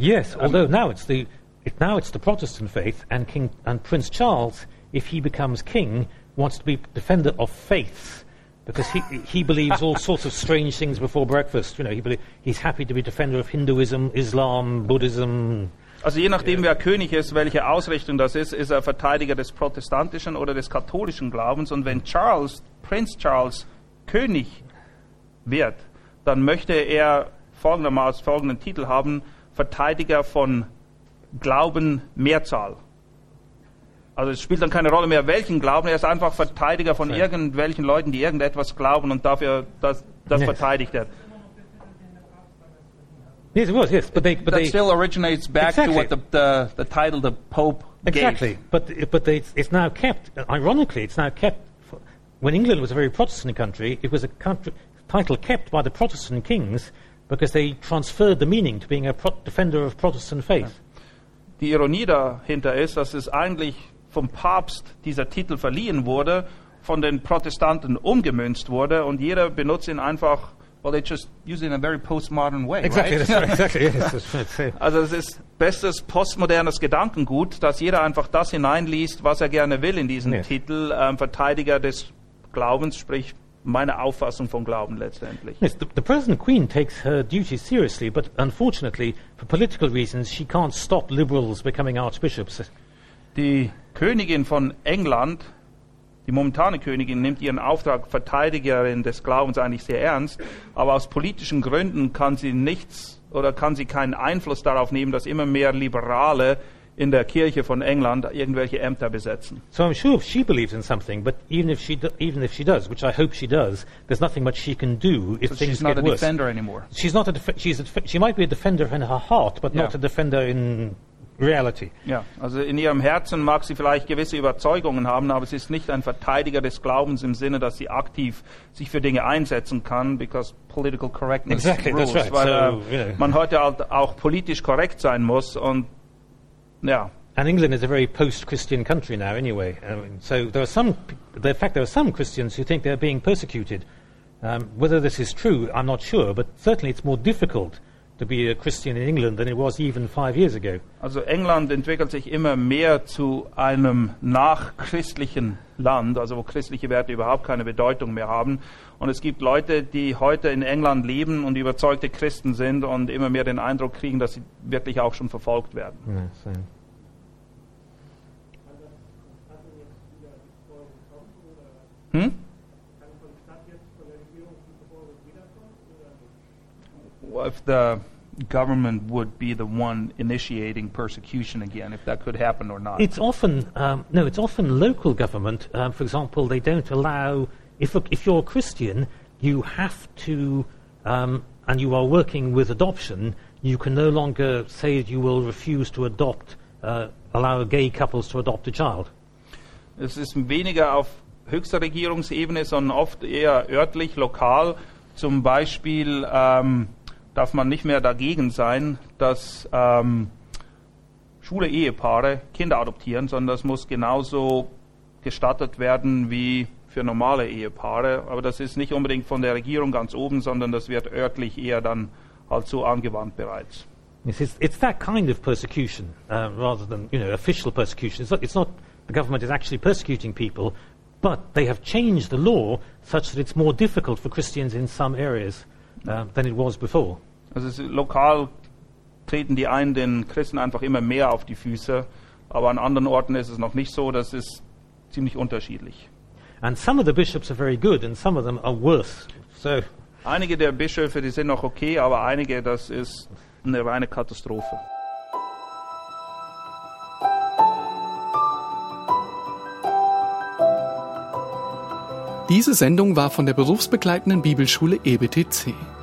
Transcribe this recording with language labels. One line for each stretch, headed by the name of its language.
English: Yes, although now it's the Protestant faith, and Prince Charles, if he becomes king, wants to be defender of faiths, because he believes all sorts of strange things before breakfast. You know, he's happy to be defender of Hinduism, Islam, Buddhism.
German: Also je nachdem, wer König ist, welche Ausrichtung das ist, ist er Verteidiger des protestantischen oder des katholischen Glaubens. Und wenn Charles, Prinz Charles, König wird, dann möchte er folgenden Titel haben, Verteidiger von Glauben Mehrzahl. Also es spielt dann keine Rolle mehr, welchen Glauben, er ist einfach Verteidiger von irgendwelchen Leuten, die irgendetwas glauben und dafür das verteidigt er.
English: Yes, it was, yes. But that still originates back to what the title the Pope exactly. gave. But it's now kept, ironically, it's now kept, when England was a very Protestant country, it was a country title kept by the Protestant kings because they transferred the meaning to being a defender of Protestant faith.
German: Die Ironie dahinter ist, dass es eigentlich vom Papst dieser Titel verliehen wurde, von den Protestanten umgemünzt wurde und jeder benutzt ihn einfach.
English: Well, they just use it in a very postmodern way, exactly, right? That's right? Exactly, exactly. Yes.
German: Also, es ist bestes postmodernes Gedankengut, dass jeder einfach das hineinliest, was er gerne will in diesen Titel, Verteidiger des Glaubens, sprich meine Auffassung vom Glauben letztendlich.
English: Yes, the present queen takes her duty seriously, but unfortunately, for political reasons, she can't stop liberals becoming archbishops.
German: Die Königin von England, die momentane Königin, nimmt ihren Auftrag Verteidigerin des Glaubens eigentlich sehr ernst, aber aus politischen Gründen kann sie keinen Einfluss darauf nehmen, dass immer mehr Liberale in der Kirche von England irgendwelche Ämter besetzen.
English: So I'm sure if she believes in something, but even if she does, which I hope she does, there's nothing much she can do if so things get worse. She's not a defender anymore. She's not a she might be a defender in her heart, but not a defender in reality.
German: Ja, also in ihrem Herzen mag sie vielleicht gewisse Überzeugungen haben, aber sie ist nicht ein Verteidiger des Glaubens im Sinne, dass sie aktiv sich für Dinge einsetzen kann,
English: because political correctness exactly, rules, that's right.
German: Weil so, man heute halt auch politisch korrekt sein muss und ja.
English: And England is a very post-Christian country now anyway. So there are some, the fact there are some Christians who think they're being persecuted. Whether this is true, I'm not sure, but certainly it's more difficult to be a Christian in England than it was even 5 years ago.
German: Also England entwickelt sich immer mehr zu einem nachchristlichen Land, also wo christliche Werte überhaupt keine Bedeutung mehr haben. Und es gibt Leute, die heute in England leben und überzeugte Christen sind und immer mehr den Eindruck kriegen, dass sie wirklich auch schon verfolgt werden.
English: Yes, If the government would be the one initiating persecution again, if that could happen or not. It's often local government. For example, they don't allow, if you're a Christian, you have to, and you are working with adoption, you can no longer say that you will refuse to adopt, allow gay couples to adopt a child.
German: Es ist weniger auf höchster Regierungsebene, sondern oft eher örtlich, lokal. Zum Beispiel darf man nicht mehr dagegen sein, dass schwule Ehepaare Kinder adoptieren, sondern das muss genauso gestattet werden wie für normale Ehepaare. Aber das ist nicht unbedingt von der Regierung ganz oben, sondern das wird örtlich eher dann halt so angewandt bereits.
English: It's that kind of persecution, rather than, you know, official persecution. It's not the government is actually persecuting people, but they have changed the law such that it's more difficult for Christians in some areas than it was before.
German: Also lokal treten die einen den Christen einfach immer mehr auf die Füße, aber an anderen Orten ist es noch nicht so, das ist ziemlich unterschiedlich.
English: And some of the bishops are very good and some of them are worse.
German: So einige der Bischöfe, die sind noch okay, aber einige, das ist eine reine Katastrophe. Diese Sendung war von der berufsbegleitenden Bibelschule EBTC.